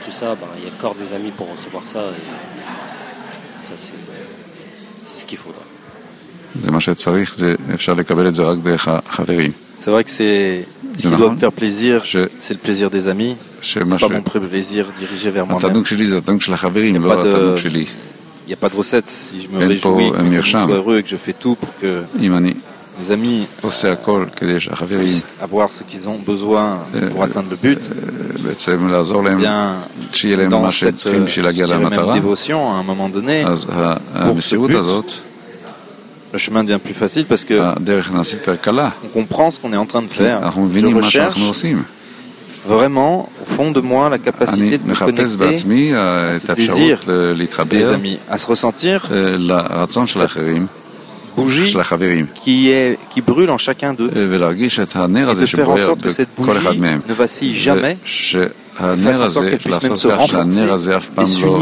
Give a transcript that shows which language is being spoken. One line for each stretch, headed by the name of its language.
French: tout ça, il y a encore des amis pour recevoir ça. Et ça, c'est ce qu'il faudra.
Hebrew: זה מה שצריך, זה אפשר לקבל את זה רק דרך החברים.
French: C'est vrai que c'est ce qui doit me faire plaisir, c'est le plaisir des amis, pas mon plaisir dirigé vers moi-même.
Hebrew: התענוג שלי זה התענוג של החברים, לא התענוג שלי.
French: Il y a pas de recette si je me réjouis, que je sois heureux et que je fais tout pour que les amis puissent avoir ce qu'ils ont besoin pour atteindre le but.
Hebrew: בעצם לעזור להם, שיהיה להם מה שהם צריכים בשביל להגיע למטרה.
French: Dévotion à un moment donné,
Hebrew: אז המסירות הזאת,
French: le chemin devient plus facile parce que on comprend ce qu'on est en train de faire. Je recherche vraiment au fond de moi la capacité de me connecter à ce désir des amis, à se ressentir cette bougie qui brûle en chacun d'eux et de faire en sorte que cette bougie ne vacille jamais,
Hebrew: הנר הזה, לעשות כך שהנר הזה אף פעם לא